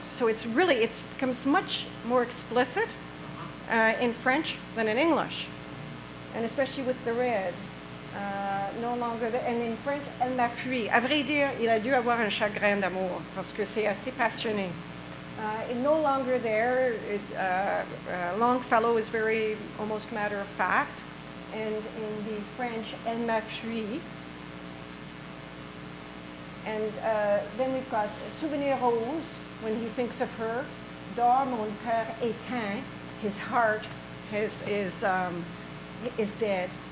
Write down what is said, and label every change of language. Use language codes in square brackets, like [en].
[en] So it's really, it becomes much more explicit in French than in English, and especially with the red. No longer, and in French, [fr] elle m'a fui. À vrai dire, il a dû avoir un chagrin d'amour, parce que c'est assez passionné. [en] No longer there, Longfellow is very almost matter of fact, and in the French, [fr] elle m'a fui. [en] And then we've got souvenir rose, when he thinks of her, [fr] dors mon cœur éteint, [en] his heart is dead.